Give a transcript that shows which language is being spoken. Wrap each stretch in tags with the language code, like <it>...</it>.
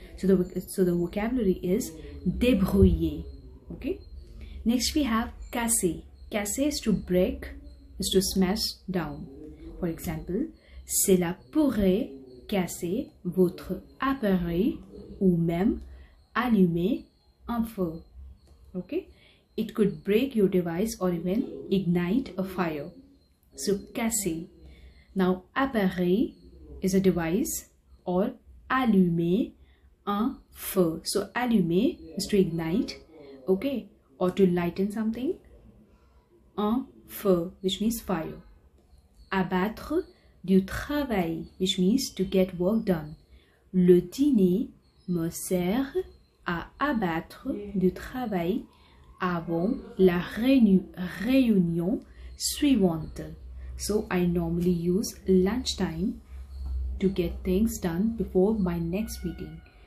<en>So the vocabulary is débrouiller. Okay. Next we have casser. Casser is to break, is to smash down. For example,</en> <fr>cela pourrait casser votre appareil ou même allumer un feu. Okay.</fr> <en>It could break your device or even ignite a fire. So casser. Now appareil is a device, or</en> <fr>allumer un feu.</fr> <en>So allumer is to ignite, okay, or to lighten something.</en> <fr>Un feu,</fr> <en>which means fire.</en> <fr>Abattre du travail,</fr> <en>which means to get work done.</en> <fr>Le dîner me sert à abattre du travail avant la réunion suivante.</fr> <en>So I normally use lunchtime to get things done before my next meeting.</en>